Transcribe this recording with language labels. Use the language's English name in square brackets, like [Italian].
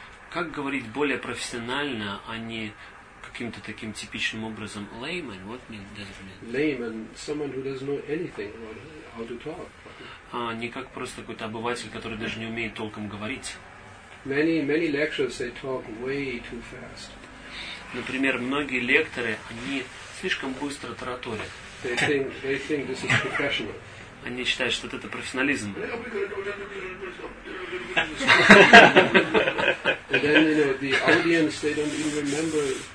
[Russian] Как говорить более профессионально, а не каким-то таким типичным образом layman? [English] What means that? Layman, someone who doesn't know anything about how to talk. [Russian] А не как просто какой-то обыватель, который даже не умеет толком говорить. [English] Many lectures, they talk way too fast. [Russian] Например, многие лекторы, они слишком быстро тараторят. [English] They think this is professional. [Russian] Они считают, что это профессионализм. [English] And then, the audience, they don't even remember.